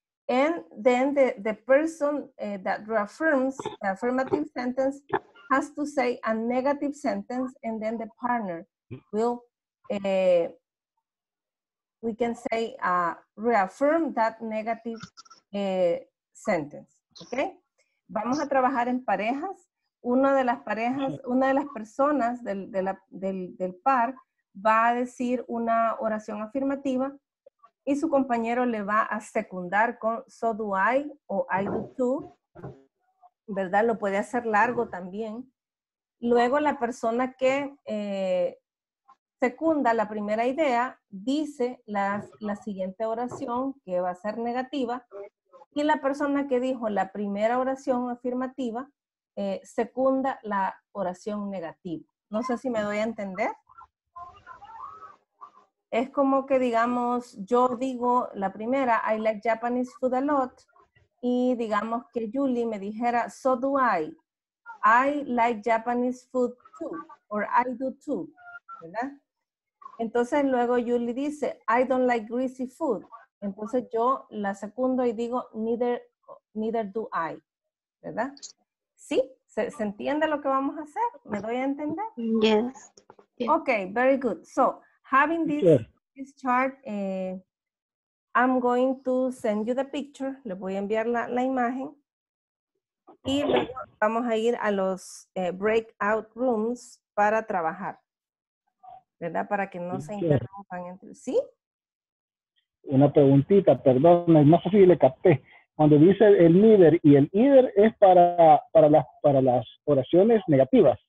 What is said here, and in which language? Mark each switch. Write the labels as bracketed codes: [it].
[en] And then the person that reaffirms the affirmative sentence has to say a negative sentence, and then the partner will, we can say, reaffirm that negative sentence, okay? [es] Vamos a trabajar en parejas. Una de las parejas, una de las personas del par va a decir una oración afirmativa y su compañero le va a secundar con [en] so do I [es] o [en] I do too, [es] ¿verdad? Lo puede hacer largo también. Luego la persona que secunda la primera idea dice la siguiente oración que va a ser negativa y la persona que dijo la primera oración afirmativa secunda la oración negativa. No sé si me doy a entender. Es como que digamos, yo digo la primera, [en] I like Japanese food a lot, [es] y digamos que Julie me dijera, [en] so do I. I like Japanese food too, or I do too, [es] ¿verdad? Entonces luego Julie dice, [en] I don't like greasy food. [es] Entonces yo la secundo y digo, [en] neither do I, [es] ¿verdad? ¿Sí? ¿Se entiende lo que vamos a hacer? ¿Me doy a entender? [en] Yes. Okay, very good. So, having this chart, I'm going to send you the picture. [es] Le voy a enviar la imagen. Y luego vamos a ir a los breakout rooms para trabajar. ¿Verdad? Para que no se interrumpan entre sí. Una preguntita, perdón, no sé si le capté. Cuando dice el neither y el either es para las oraciones negativas.